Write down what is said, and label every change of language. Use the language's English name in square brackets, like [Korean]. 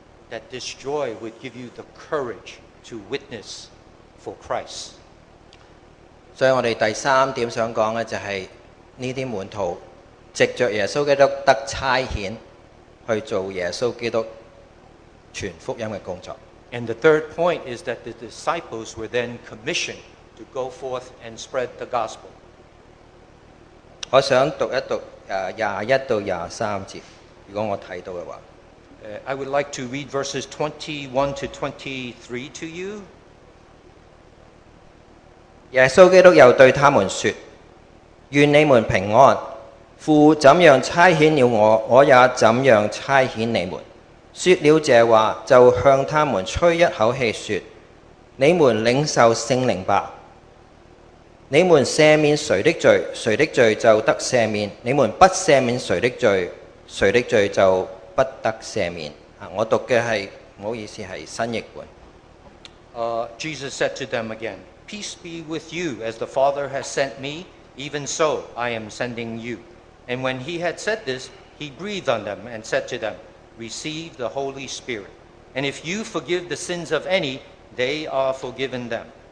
[English] That this joy would give you the courage to witness for Christ. [Chinese] 所以我们第三点想说的就是，这些门徒藉着耶稣基督得差遣去做耶稣基督传福音的工作。 [English] And the third point is that the disciples were then commissioned to go forth and spread the gospel. [Chinese] 我想读一读21-23节，如果我看到的话。 [English] I would like to read verses 21-23 to you. [Chinese] 耶稣基督又对他们说，愿你们平安，父怎样差遣了我，我也怎样差遣你们。说了这话，就向他们吹一口气说，你们领受圣灵吧。你们赦免谁的罪，谁的罪就得赦免；你们不赦免谁的罪，谁的罪就不得赦免。我读的是，不好意思，是新译本。 [English] Jesus said to them again, Peace be with you, as the Father has sent me, even so I am sending you. And when he had said this, he breathed on them and said to them, Receive the Holy Spirit. And if you forgive the sins of any, they are forgiven them.